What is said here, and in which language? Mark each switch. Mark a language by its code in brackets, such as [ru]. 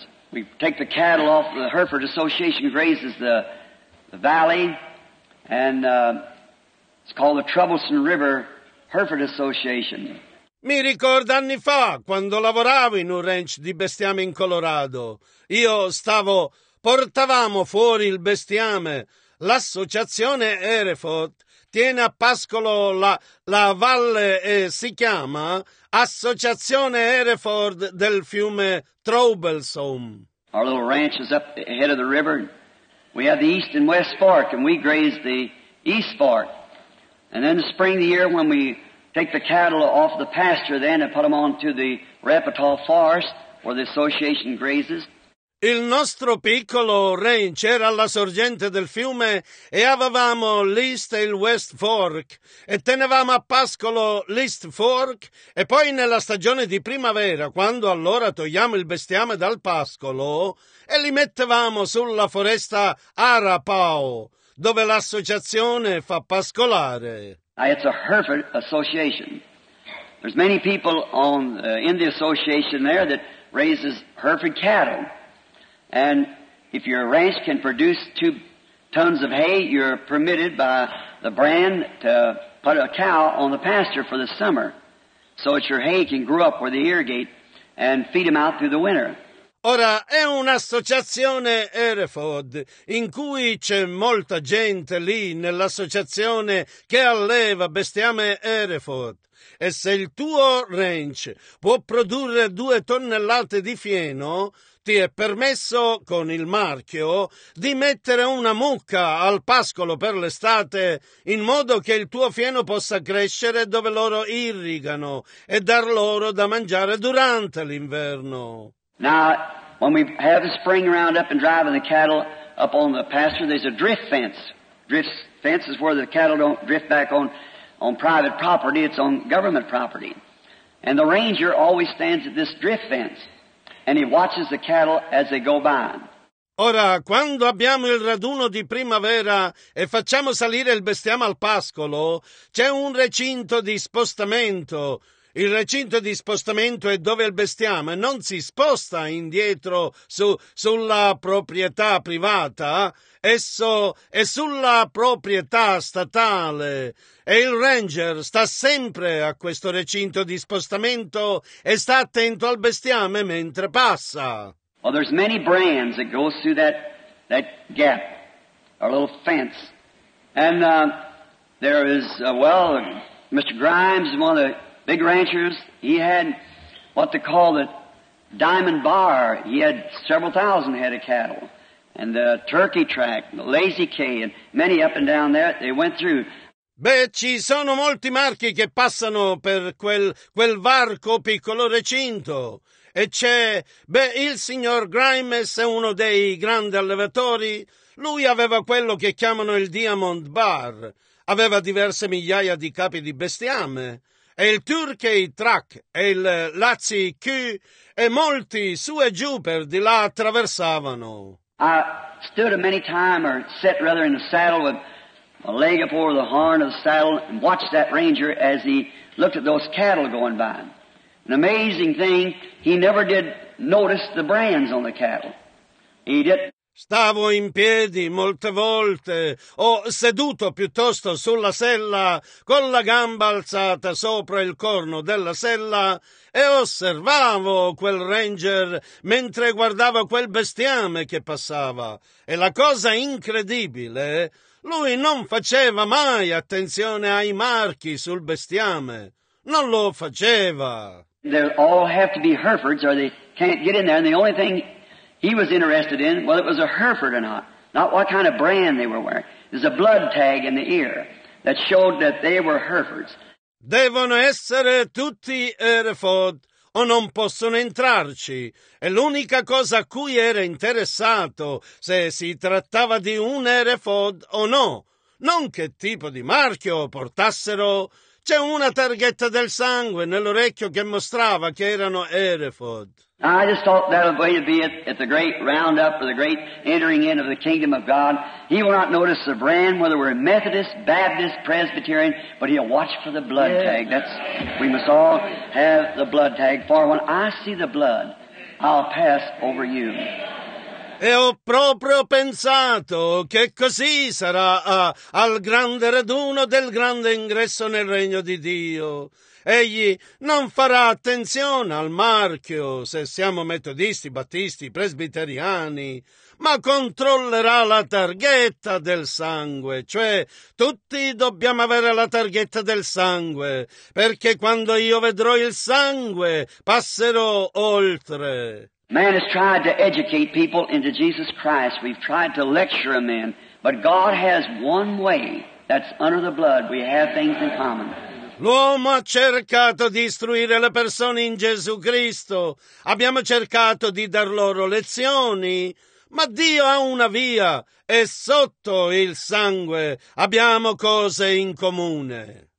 [en] We take the cattle off the Hereford Association grazes the valley. And it's called the Troublesome River Hereford Association. [it] Mi ricordo anni fa, quando lavoravo in un ranch di bestiame in Colorado. Io stavo, portavamo fuori il bestiame. L'associazione Hereford tiene a pascolo la valle e si chiama Associazione Hereford del fiume Troublesome. [en] Our little ranch is up ahead of the river. We have the East and West Fork, and we graze the East Fork. And then the spring of the year, when we take the cattle off the pasture then and put them onto the Repertoire Forest, where the association grazes. [it] Il nostro piccolo ranch era alla sorgente del fiume e avevamo l'East e il West Fork e tenevamo a pascolo l'East Fork e poi nella stagione di primavera, quando allora togliamo il bestiame dal pascolo e li mettevamo sulla foresta Arapaho, dove l'associazione fa pascolare. [en] It's a Hereford Association. There's many people in the association there that raises Hereford cattle. And if your ranch can produce 2 tons of hay, you're permitted by the brand to put a cow on the pasture for the summer, so that your hay can grow up where they irrigate and feed them out through the winter. [it] Ora, è un'associazione Hereford, in cui c'è molta gente lì nell'associazione che alleva bestiame Hereford. E se il tuo ranch può produrre 2 tonnellate di fieno, ti è permesso, con il marchio, di mettere una mucca al pascolo per l'estate, in modo che il tuo fieno possa crescere dove loro irrigano e dar loro da mangiare durante l'inverno. [en] Now, when we have the spring round up and driving the cattle up on the pasture, there's a drift fence. Drift fence is where the cattle don't drift back on private property, it's on government property. And the ranger always stands at this drift fence, and he watches the cattle as they go by. [it] Ora, quando abbiamo il raduno di primavera e facciamo salire il bestiame al pascolo, c'è un recinto di spostamento. Il recinto di spostamento è dove il bestiame non si sposta indietro sulla proprietà privata, esso è sulla proprietà statale. E il ranger sta sempre a questo recinto di spostamento e sta attento al bestiame mentre passa. [en] Well, there's many brands that go through that gap, our little fence. And there is, well, Mr. Grimes, one of the big ranchers, he had what they call the diamond bar. He had several thousand head of cattle. And the turkey track, the lazy K, and many up and down there, they went through. [it] Beh, ci sono molti marchi che passano per quel varco piccolo recinto. E c'è, beh, il signor Grimes è uno dei grandi allevatori. Lui aveva quello che chiamano il Diamond Bar. Aveva diverse migliaia di capi di bestiame. E il Turkey Track e il Lazy Q e molti su e giù per di là attraversavano. [en] I stood a many time or sat rather in the saddle with a leg up over the horn of the saddle and watched that ranger as he looked at those cattle going by. An amazing thing, he never did notice the brands on the cattle. He did. [it] Stavo in piedi molte volte, o seduto piuttosto sulla sella, con la gamba alzata sopra il corno della sella, e osservavo quel ranger mentre guardavo quel bestiame che passava. E la cosa incredibile, lui non faceva mai attenzione ai marchi sul bestiame. Non lo faceva. [en] They all have to be Herefords or they can't get in there. And the only thing he was interested in, well, it was a Hereford or not, not what kind of brand they were wearing. There's a blood tag in the ear that showed that they were Herefords. [it] Devono essere tutti Hereford o non possono entrarci. E l'unica cosa a cui era interessato se si trattava di un Hereford o no, non che tipo di marchio portassero. C'è una targhetta del sangue nell'orecchio che mostrava che erano Hereford. [en] I just thought that was the way to be at the great roundup or the great entering in of the kingdom of God. He will not notice the brand, whether we're Methodist, Baptist, Presbyterian, but he'll watch for the blood tag. That's, we must all have the blood tag. For when I see the blood, I'll pass over you. [it] E ho proprio pensato che così sarà al grande raduno del grande ingresso nel regno di Dio. Egli non farà attenzione al marchio se siamo metodisti, battisti, presbiteriani, ma controllerà la targhetta del sangue. Cioè, tutti dobbiamo avere la targhetta del sangue, perché quando io vedrò il sangue passerò oltre. [en] Man has tried to educate people into Jesus Christ. We've tried to lecture them in. But God has one way. That's under the blood. We have things in common. [it] L'uomo ha cercato di istruire le persone in Gesù Cristo. Abbiamo cercato di dar loro lezioni. Ma Dio ha una via. E sotto il sangue abbiamo cose in comune.